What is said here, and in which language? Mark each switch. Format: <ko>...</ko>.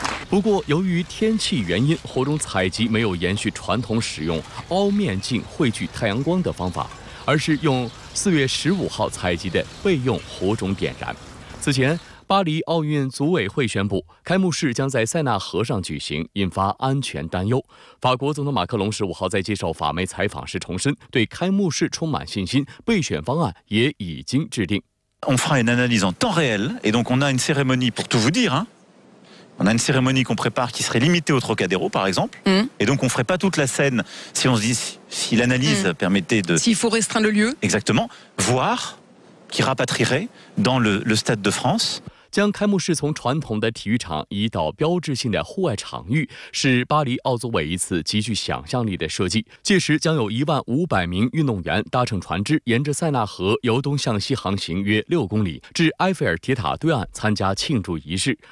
<zh>不过由于天气原因，火种采集没有延续传统使用凹面镜汇聚太阳光的方法，而是用4月15号采集的备用火种点燃。此前巴黎奥运组委会宣布开幕式将在塞纳河上举行，引发安全担忧。法国总统马克龙15号在接受法媒采访时重申对开幕式充满信心，备选方案也已经制定。</zh> <fr>On fera une analyse en temps réel et donc on a une cérémonie pour tout vous dire hein. On a une cérémonie qu'on prépare qui serait limitée au Trocadéro, par exemple. Et donc, on ne ferait pas toute la scène si on se dit, si l'analyse permettait de... S'il faut restreindre le lieu. Exactement. Voir qui rapatrierait dans le Stade de France.</fr> <zh>将开幕式从传统的体育场移到标志性的户外场域，是巴黎奥组委一次极具想象力的设计。届时将有1500名运动员搭乘船只，沿着塞纳河由东向西航行约6公里，至埃菲尔铁塔对岸参加庆祝仪式。</zh>